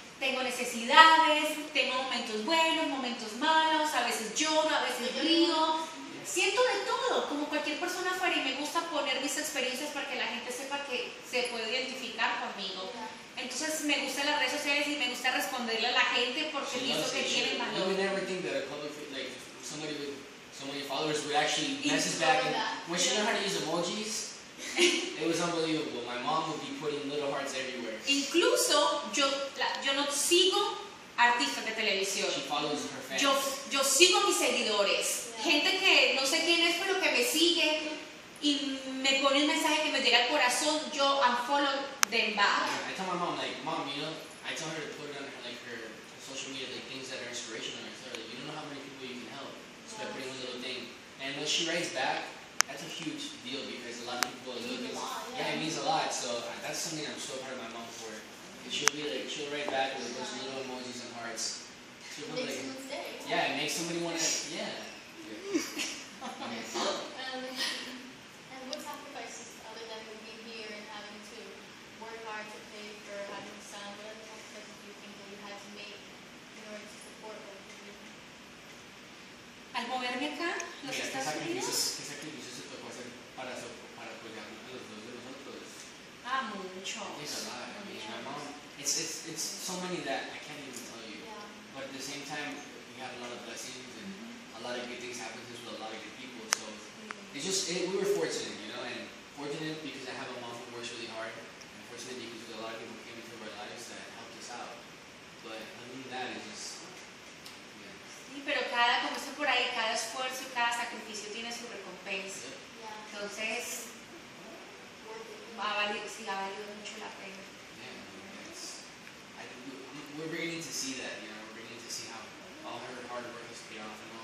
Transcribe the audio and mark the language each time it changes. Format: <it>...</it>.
<es>Tengo necesidades, tengo momentos buenos, momentos malos, a veces lloro, a veces río. Siento de todo, como cualquier persona afuera, y me gusta poner mis experiencias para que la gente sepa que se puede identificar conmigo. Entonces me gustan las redes sociales y me gusta responderle a la gente porque pienso que tiene valor.</es> <en>I never think that a public, like somebody with so many followers would actually message back. And when she learned how to use emojis, it was unbelievable. My mom would be putting little hearts everywhere.</en> <es>Incluso yo, yo no sigo artistas de televisión.</es> <en>She follows her fans.</en> <es>Yo sigo mis seguidores. Gente que no sé quién es, pero que me sigue y me pone un mensaje que me llega al corazón, yo</es> <en>unfollow them back. Yeah, I tell my mom, like, mom, you know, I tell her to put it on her, like, her social media, like, things that are inspirational. I tell her, like, you don't know how many people you can help just by putting one little thing. And when she writes back, that's a huge deal because a lot of people look at yeah, it means a lot. So that's something I'm so proud of my mom for. And she'll be like, she'll write back with those little emojis and hearts. She'll make like, someone's day. Yeah, it makes somebody want to, yeah. And what sacrifices other than being here and having to work hard to pay for having a son, what other sacrifices do you think that you had to make in order to support what you're doing?</en> <es>Al moverme acá, los Estados Unidos. ¿Qué sacrificios se tocó hacer para apoyar a los dos de nosotros? Ah, muchos.</es> <en>It's a lot. I mean, my mom, it's so many that I can't even tell you. Yeah. But at the same time, we have a lot of blessings and a lot of good things happen to us with a lot of good people. So it's just, we were fortunate, you know, and fortunate because I have a mom who works really hard, and fortunate because a lot of people came into our lives that helped us out. But other than that, it's just, yeah.</en> <es>Sí, pero cada, como dice por ahí, cada esfuerzo y cada sacrificio tiene su recompensa.</es> <en>Yeah.</en> <es>Entonces, ha valido mucho la pena.</es> <en>Yeah, it's, we're beginning to see that, you know, we're beginning to see how all her hard work has paid off.</en>